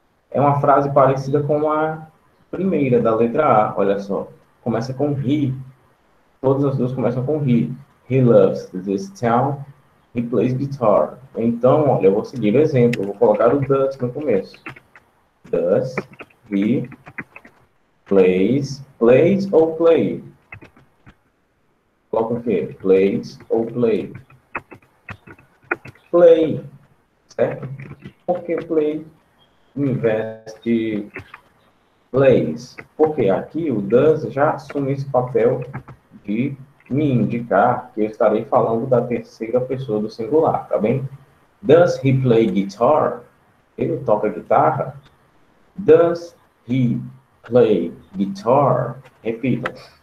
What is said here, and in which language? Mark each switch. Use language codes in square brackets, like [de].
[pt] É uma frase parecida com a primeira da letra A, olha só. Começa com he. Todas as duas começam com he. [en] He loves this town. He plays guitar. [pt] Então, olha, eu vou seguir o exemplo. Eu vou colocar o does no começo. [en] Does he plays ou play? [pt] Coloca o quê? [en] Plays ou play? [pt] Play, certo? Porque play investe plays. Porque aqui o does já assume esse papel de me indicar que eu estarei falando da terceira pessoa do singular, tá bem? [en] Does he play guitar? [pt] Ele toca guitarra? [en] Does he play guitar? [pt] Repita.